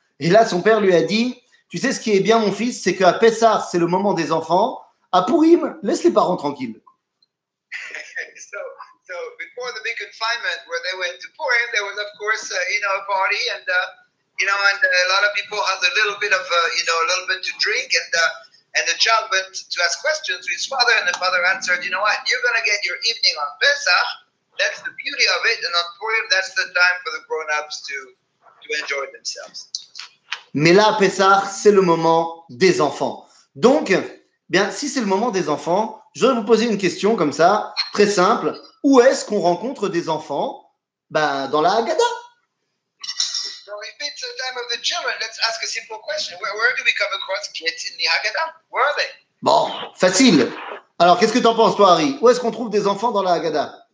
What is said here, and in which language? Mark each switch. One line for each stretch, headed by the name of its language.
French: Et là, son père lui a dit, tu sais ce qui est bien, mon fils, c'est qu'à Pessah, c'est le moment des enfants. À Pourim, laisse les parents tranquilles.
English: So before the big confinement, where they went to Pourim, there was of course a party, and a lot of people had a little bit to drink, and the child went to ask questions to his father, and the father answered, you know what, you're going to get your evening on Pessah. That's the beauty of it, and on Pourim, that's the time for the grown-ups to enjoy themselves.
French: Mais là, à Pessah, c'est le moment des enfants. Donc, bien, si c'est le moment des enfants, je voudrais vous poser une question comme ça, très simple. Où est-ce qu'on rencontre des enfants? Ben, dans la Haggadah.
English: So if it's the time of the children, let's ask a simple question. Where do we come across kids in the Haggadah? Where are they?
French: Bon, facile. Alors, qu'est-ce que t'en penses, toi, Harry? Où est-ce qu'on trouve des enfants dans la Haggadah?